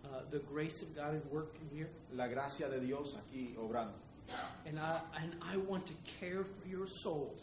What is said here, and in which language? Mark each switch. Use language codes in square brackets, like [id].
[en] the grace of God at work here. [es] La gracia de Dios aquí obrando. [en] And I want to care for your soul.